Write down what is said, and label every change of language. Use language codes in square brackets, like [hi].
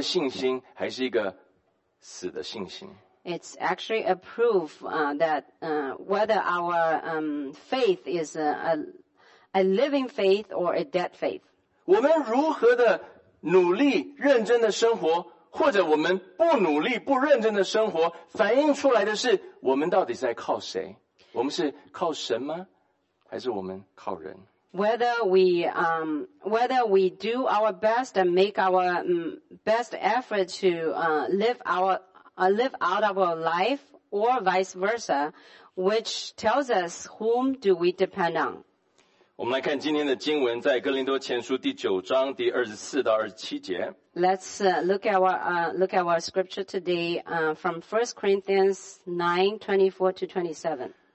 [zh] 是反映出我们的信心是一个活的信心,还是一个死的信心? [en] It's actually a proof that whether our faith is a living faith or a dead faith. [zh] 我们如何的努力认真的生活? 或者我们不努力,不认真的生活,反映出来的是,我们到底在靠谁? 我们是靠神吗?还是我们靠人? [en] Whether we do our best and make our best effort to live out of our life, or vice versa, which tells us whom do we depend on? [zh] 我们来看今天的经文在哥林多前书第9章第24到27节。 [en] Let's look at our scripture today from 1 Corinthians 9:24-27.